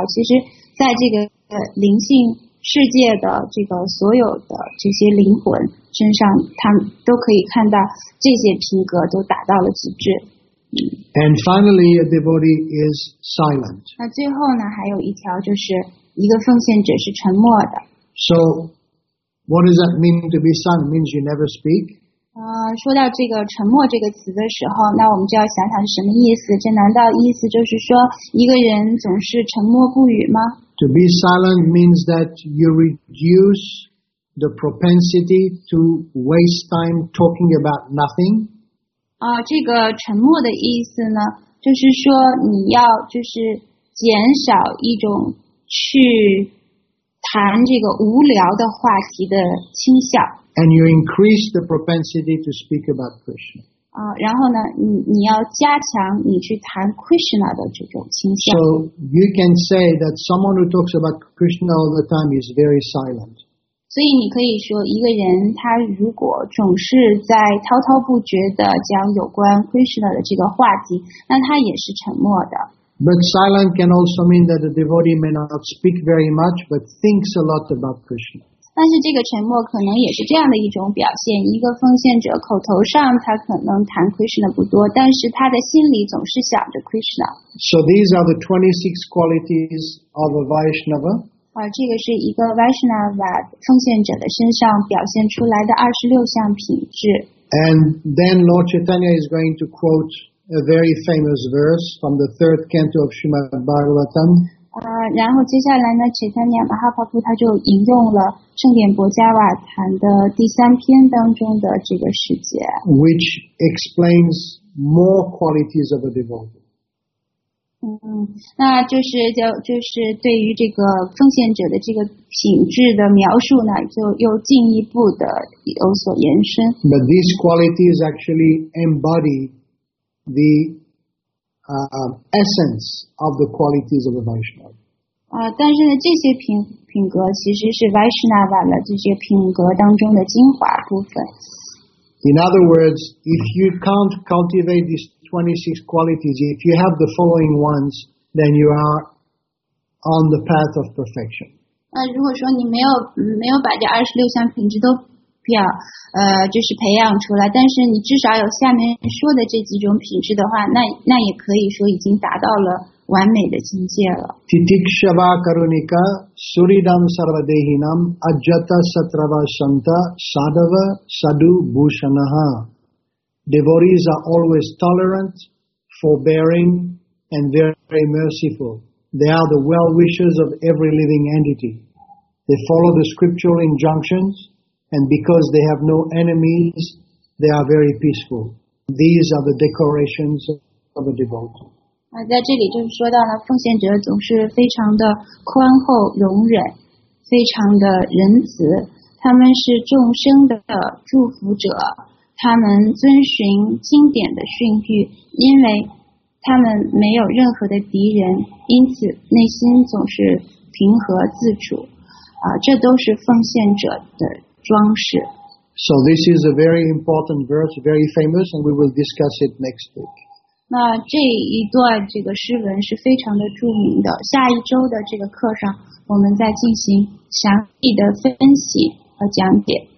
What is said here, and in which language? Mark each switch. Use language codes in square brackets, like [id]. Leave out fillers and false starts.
[zh] 其实，在这个灵性世界的这个所有的这些灵魂身上，他们都可以看到这些品格都达到了极致。 [en] And finally, a devotee is silent. [zh] 那最后呢，还有一条就是一个奉献者是沉默的。 [en] So, what does that mean to be silent? It means you never speak. [zh] 说到这个沉默这个词的时候，那我们就要想想什么意思？这难道意思就是说一个人总是沉默不语吗？ [en] To be silent means that you reduce the propensity to waste time talking about nothing. [zh] 这个沉默的意思呢，就是说你要就是减少一种去谈这个无聊的话题的倾向。 [en] And you increase the propensity to speak about Krishna. [zh] 然后呢，你要加强你去谈 Krishna 的这种倾向。 [en] So you can say that someone who talks about Krishna all the time is very silent. [zh] 所以你可以说，一个人他如果总是在滔滔不绝的讲有关 Krishna 的这个话题，那他也是沉默的。 [en] But silent can also mean that a devotee may not speak very much, but thinks a lot about Krishna. [zh] 但是这个沉默可能也是这样的一种表现，一个奉献者口头上他可能谈 Krishna 不多，但是他的心里总是想着 Krishna。 [en] So these are the 26 qualities of a Vaishnava. [zh] 这个是一个 Vaishnava 奉献者的身上表现出来的26项品质。 [en] And then Lord Chaitanya is going to quote a very famous verse from the third canto of Srimad Bhagavatam. [zh] 然后接下来呢，齐三娘马哈帕夫他就引用了圣典博加瓦坛的第三篇当中的这个世界 [en] ，which explains more qualities of a devotee。 [zh] 那就是对于这个奉献者的这个品质的描述呢，就又进一步的有所延伸。 [en] But these qualities actually embody the essence of the qualities of a Vaishnava. [zh] 但是呢，这些品格其实是 Vaishnava 的这些品格当中的精华部分。 [en] In other words, if you can't cultivate these 26 qualities, if you have the following ones, then you are on the path of perfection. [zh] 那如果说你没有把这二十六项品质都表就是培养出来，但是你至少有下面说的这几种品质的话，那也可以说已经达到了完美的境界了。 [sa] Titikshava karunika suridam sarvadehinam ajata satrava santa sadava sadhu bhushanaha. [en] Devotees are always tolerant, forbearing, and very, very merciful. They are the well-wishers of every living entity. They follow the scriptural injunctions, and because they have no enemies, they are very peaceful. These are the decorations of a devotee. [zh] 在这里就是说到了奉献者总是非常的宽厚容忍，非常的仁慈。他们是众生的祝福者，他们遵循经典的训谕，因为他们没有任何的敌人，因此内心总是平和自处，这都是奉献者的装饰。 [en] So this is a very important verse, very famous, and we will discuss it next week. [zh] 那这一段这个诗文是非常的著名的，下一周的这个课上，我们再进行详细的分析和讲解。